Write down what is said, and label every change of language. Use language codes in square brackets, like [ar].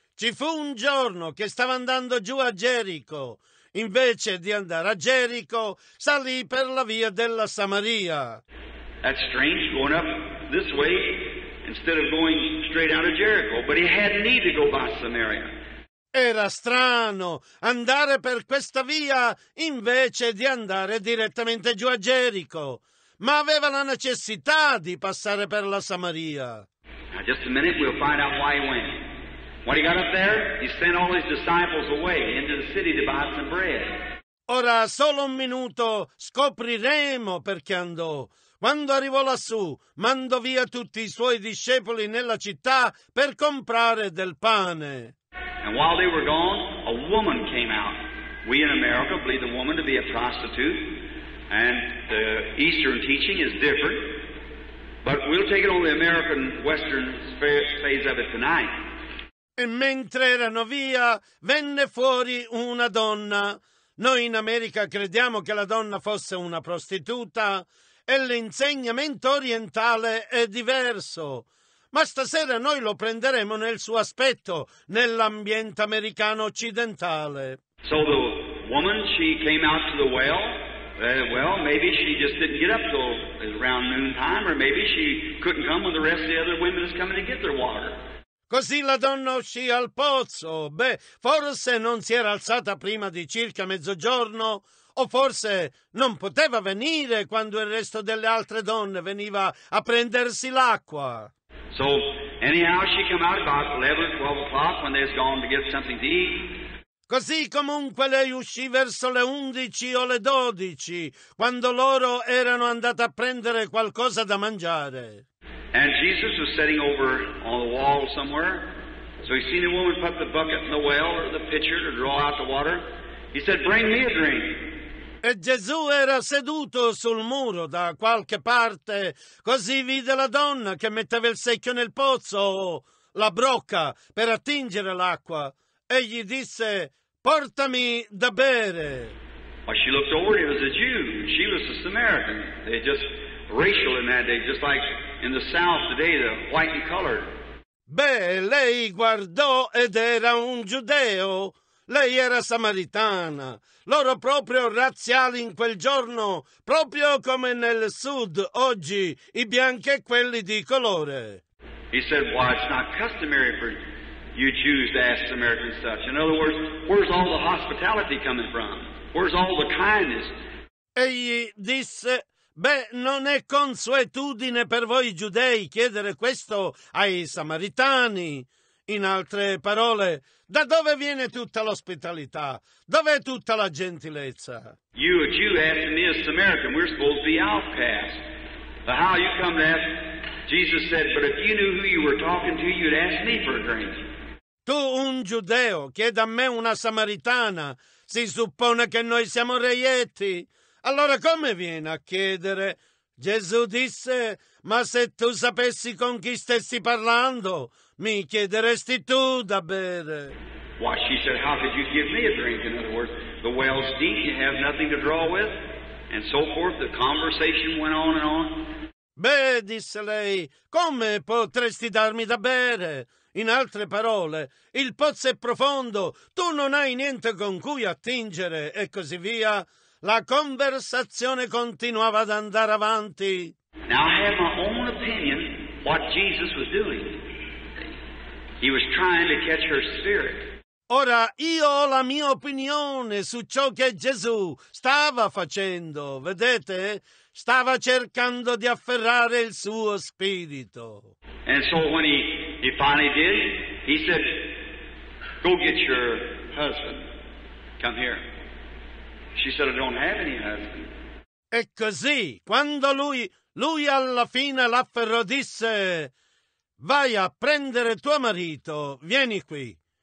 [it] Ci fu un giorno che stava andando giù a Gerico. Invece di andare a Gerico, salì per la via della Samaria. [en] That's strange, going up this way instead of going straight out of Jericho, but he had need to go by Samaria. [it] Era strano andare per questa via invece di andare direttamente giù a Gerico, ma aveva la necessità di passare per la Samaria. [en] Now just a minute, we'll find out why he went. When he got up there, he sent all his disciples away into the city to buy some bread. [it] Ora, solo un minuto, scopriremo perché andò. Quando arrivò lassù, mandò via tutti i suoi discepoli nella città per comprare del pane. [en] And while they were gone, a woman came out. We in America believe the woman to be a prostitute, and the Eastern teaching is different. But we'll take it on the American Western phase of it tonight. [it] E mentre erano via, venne fuori una donna. Noi in America crediamo che la donna fosse una prostituta e l'insegnamento orientale è diverso. Ma stasera noi lo prenderemo nel suo aspetto, nell'ambiente americano occidentale. [en] So the woman, she came out to the well. Well, maybe she just didn't get up till around noon time, or maybe she couldn't come when the rest of the other women was coming to get their water. [it] Così la donna uscì al pozzo. Beh, forse non si era alzata prima di circa mezzogiorno, o forse non poteva venire quando il resto delle altre donne veniva a prendersi l'acqua. [en] So, anyhow, she came out about 11, 12 o'clock when they was gone to get something to eat. [it] Così comunque lei uscì verso le 11 o le 12, quando loro erano andate a prendere qualcosa da mangiare. [en] And Jesus was sitting over on the wall somewhere. So he seen the woman put the bucket in the well or the pitcher to draw out the water. He said, bring me a drink. [it] E Gesù era seduto sul muro da qualche parte. Così vide la donna che metteva il secchio nel pozzo, la brocca, per attingere l'acqua. E gli disse, portami da bere. [en] Well, she looked over, he was a Jew. She was a Samaritan. They just racial in that day, just like in the South today, the white and colored. [it] Beh, lei guardò ed era un giudeo. Lei era samaritana. Loro proprio razziali in quel giorno, proprio come nel Sud oggi, i bianchi e quelli di colore. [en] He said, well, it's not customary for you Jews to ask Samaritans such. In other words, where's all the hospitality coming from? Where's all the kindness? [it] Egli disse, beh, non è consuetudine per voi giudei chiedere questo ai samaritani. In altre parole, da dove viene tutta l'ospitalità? Dov'è tutta la gentilezza? [en] You a Jew asking me a Samaritan, we're supposed to be outcasts. But how you come to ask, Jesus said, but if you knew who you were talking to, you'd ask me for a drink. [it] Tu, un giudeo, chiedi a me una samaritana. Si suppone che noi siamo reietti. Allora come vieni a chiedere? Gesù disse, ma se tu sapessi con chi stessi parlando, mi chiederesti tu da bere. [en] Why, she said, how could you give me a drink? In other words, the well's deep, you have nothing to draw with, and so forth. The conversation went on and on. [it] Beh, disse lei, come potresti darmi da bere? In altre parole, il pozzo è profondo, tu non hai niente con cui attingere, e così via. La conversazione continuava ad andare avanti. [en] Now I have my own opinion what Jesus was doing. He was trying to catch her spirit. [it] Ora io ho la mia opinione su ciò che Gesù stava facendo, vedete? Stava cercando di afferrare il suo spirito. [en] And so when he finally did, he said, go get your husband. Come here. She said, I don't have any husband. [it] E così, quando lui alla fine l'afferrò, disse, vai a prendere tuo marito, vieni qui.